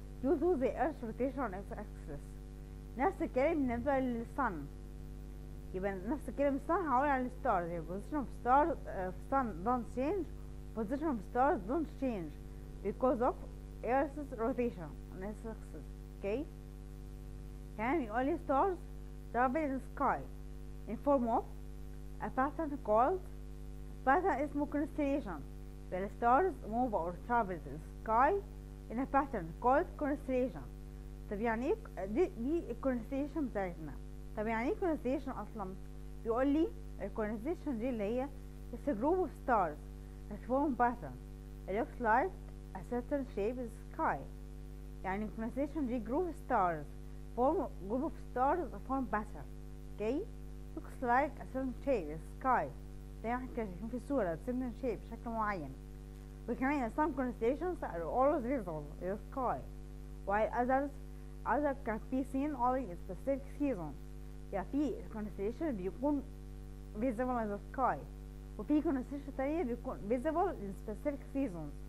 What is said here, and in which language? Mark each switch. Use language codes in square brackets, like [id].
[en] Due to the earth rotation of its axis. [ar] نفس الكلام بالنسبة لل sun. يبقى نفس الكلام sun هقول عن ال stars. [en] يبقى position of stars of sun don't change, position of stars don't change because of earth's rotation on its axis. Okay، [ar] كان يقول لي [en] stars travel in the sky in form of a pattern called pattern اسمه constellation. The stars move or travel in the sky in a pattern called constellation. [ar] طب يعني دي constellation بتاعتنا. طب يعني ايه constellation اصلا؟ بيقول لي constellation دي اللي هي [en] it's a group of stars that form pattern it looks like a certain shape in the sky. يعني constellation دي group of stars form group of stars form pattern. Okay, looks like a certain shape in the sky. [ar] ده يعني كده يكون في صورة [en] certain shape [ar] بشكل معين. وكمان [en] some constellations are always visible in the sky while others can be seen only in specific seasons. [ar] يعني في [en] constellation بيكون visible in the sky، [ar] وفي [en] constellation [ar] تانية بيكون [en] visible in specific seasons.